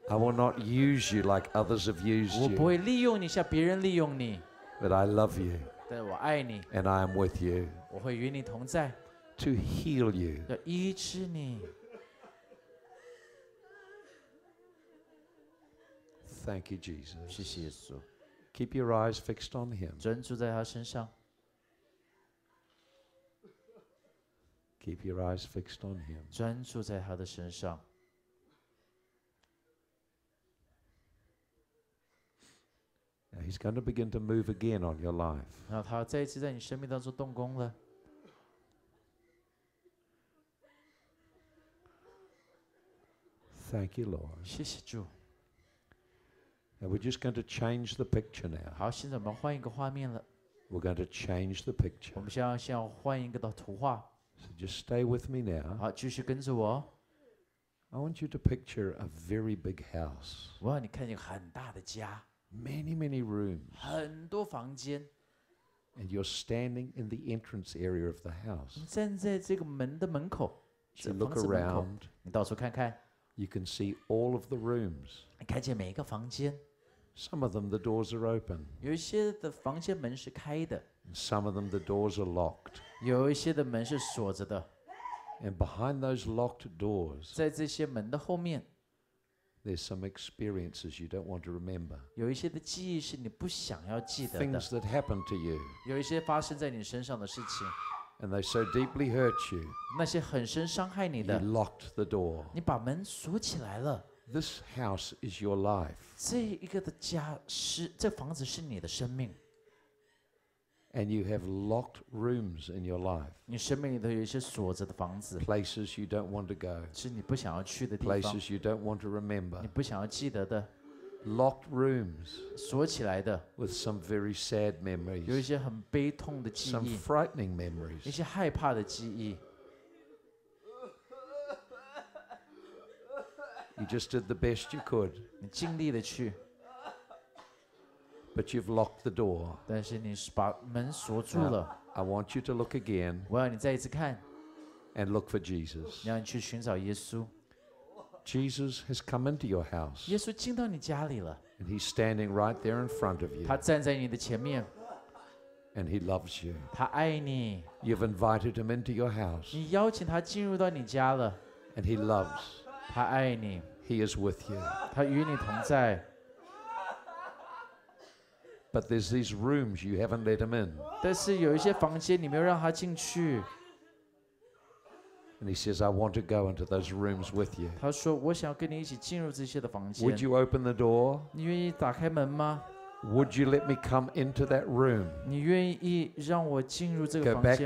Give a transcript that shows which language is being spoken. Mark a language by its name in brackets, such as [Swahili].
[English] I will not use you like others have used you. [Chinese] 我不会利用你像别人利用你。 [English] But I love you. [Chinese] 对，我爱你。 [English] And I am with you. [Chinese] 我会与你同在。 [English] To heal you. [Chinese] 要医治你。 [English] Thank you, Jesus. [Chinese] 谢谢耶稣。 [English] Keep your eyes fixed on him. [Chinese] 专注在他身上。 [English] Keep your eyes fixed on him. [Chinese] 专注在他的身上。 [English] Now he's going to begin to move again on your life. [Chinese] 然后他再一次在你生命当中动工了。 [English] Thank you, Lord. [Chinese] 谢谢主。 [English] And we're just going to change the picture now. [Chinese] 好，现在我们换一个画面了。 [English] We're going to change the picture. [Chinese] 我们先要换一个的图画。 [English] So just stay with me now. [Chinese] 好，继续跟着我。 [English] I want you to picture a very big house. [Chinese] 我让你看一个很大的家。 [English] Many, many rooms. [Chinese] 很多房间。 [English] And you're standing in the entrance area of the house. [Chinese] 你站在这个门的门口。 [English] You look around. [Chinese] 你到处看看。 [English] You can see all of the rooms. [Chinese] 你看见每一个房间。 [English] Some of them the doors are open. [Chinese] 有一些的房间门是开的。 [English] Some of them the doors are locked. [Chinese] 有一些的门是锁着的。 [English] And behind those locked doors, [Chinese] 在这些门的后面， [English] there's some experiences you don't want to remember. [Chinese] 有一些的记忆是你不想要记得的。 [English] Things that happened to you. [Chinese] 有一些发生在你身上的事情。 [English] And they so deeply hurt you. [Chinese] 那些很深伤害你的。 [English] You locked the door. [Chinese] 你把门锁起来了。 [English] This house is your life. [Chinese] 这一个的家是，这房子是你的生命。 [English] And you have locked rooms in your life. [Chinese] 你生命里头有一些锁着的房子。 [English] Places you don't want to go. [Chinese] 是你不想要去的地方。 [English] Places you don't want to remember. [Chinese] 你不想要记得的。 [English] Locked rooms. [Chinese] 锁起来的。 [English] With some very sad memories. [Chinese] 有一些很悲痛的记忆。 [English] Some frightening memories. [Chinese] 一些害怕的记忆。 [English] You just did the best you could. [Chinese] 你尽力的去。 [English] But you've locked the door. [Chinese] 但是你把门锁住了。 [English] I want you to look again. [Chinese] 我要你再一次看。 [English] And look for Jesus. [Chinese] 让你去寻找耶稣。 [English] Jesus has come into your house. [Chinese] 耶稣进到你家里了。 [English] And he's standing right there in front of you. [Chinese] 他站在你的前面。 [English] And he loves you. [Chinese] 他爱你。 [English] You've invited him into your house. [Chinese] 你邀请他进入到你家了。 [English] And he loves. [Chinese] 他爱你。 [English] He is with you. [Chinese] 他与你同在。 [English] But there's these rooms you haven't let him in. [Chinese] 但是有一些房间你没有让他进去。 [English] And he says, "I want to go into those rooms with you." [Chinese] 他说我想要跟你一起进入这些的房间。 [English] Would you open the door? [Chinese] 你愿意打开门吗？ [English] Would you let me come into that room? [Chinese] 你愿意让我进入这个房间吗？